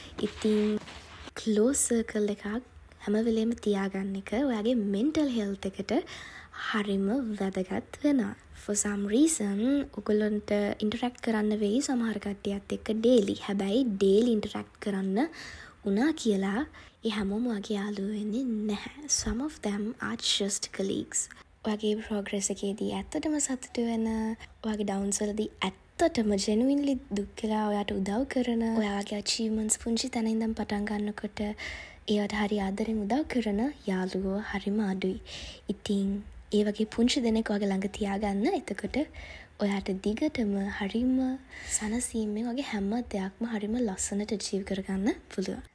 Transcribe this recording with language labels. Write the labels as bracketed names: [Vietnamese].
[Sinhala] ඉතින් close circle එකක් හැම වෙලේම තියාගන්න එක ඔයාගේ මෙන්ටල් හෙල්ත් එකට හරිම වැදගත් වෙනවා. ෆෝ සම් රීසන් ඔගොල්ලොන්ට ඉන්ටරැක්ට් කරන්න වෙයි සමහර කට්ටියත් එක්ක ඩේලි. හැබැයි ඩේලි ඉන්ටරැක්ට් කරන්න උනා කියලා ඒ හැමෝම වගේ යාළුවෝ වෙන්නේ නැහැ. [English] Some of them are just colleagues. [Sinhala] ඔයාගේ ප්‍රෝග්‍රෙස් එකේදී ඇත්තටම සතුට වෙන, ඔයාගේ ඩවුන්ස් වලදී ඇත්තටම ජෙනුයින්ලි දුක් වෙලා ඔයාට උදව් කරන, ඔයාගේ achievements පුංචි තැන ඉඳන් පටන් ගන්නකොට ඒවට හරි ආදරෙන් උදව් කරන යාළුවෝ හරිම අඩුයි. ඉතින් ඒ වගේ පුංචි දෙනෙක් ඔයාගේ ළඟ තියාගන්න, එතකොට ඔයාට දිගටම හරිම සනසීමෙන් වගේ හැම දෙයක්ම හරිම ලස්සනට achieve කරගන්න පුළුවන්.